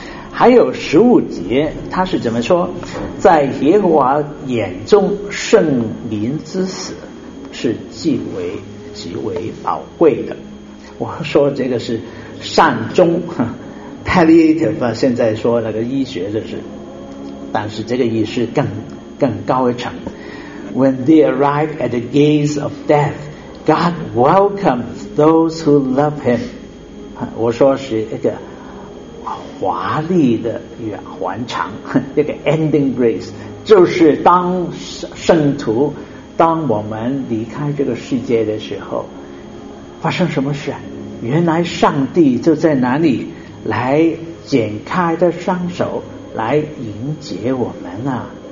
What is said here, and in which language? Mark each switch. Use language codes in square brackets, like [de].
[zh] 还有15节，他是怎么说？在耶和华眼中，圣民之死是极为宝贵的。我说这个是善终 ，palliative， 现在说那个医学就是，但是这个意思更高一层。 [en] When they arrive at the gates of death, God welcomes those who love Him。 [zh] 我说是一个。华丽的还场，这个 ending grace 就是当圣徒，当我们离开这个世界的时候，发生什么事？原来上帝就在哪里来剪开的双手来迎接我们啊！